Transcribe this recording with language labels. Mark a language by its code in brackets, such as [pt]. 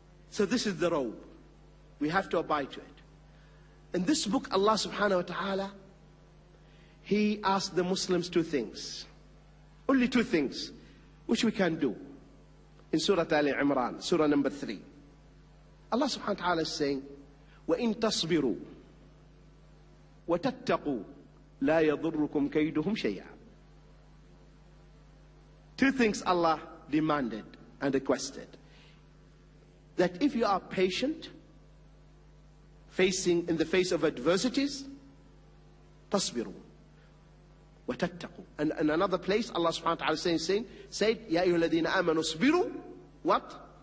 [en] So this is the robe. We have to abide to it. In this book, Allah subhanahu wa ta'ala, He asked the Muslims two things. Only two things, which we can do. In Surah Ali Imran, Surah number 3. Allah subhanahu wa ta'ala is saying, [ar] وَإِن تَصْبِرُوا وتتقوا لا يضركم كيدهم شيئا. [en] Two things Allah demanded and requested: that if you are patient, facing in the face of adversities, [ar] تصبروا وتتقوا. [en] And another place Allah subhanahu wa ta'ala said, [ar] يا أيها الذين آمنوا اصبروا [en] what?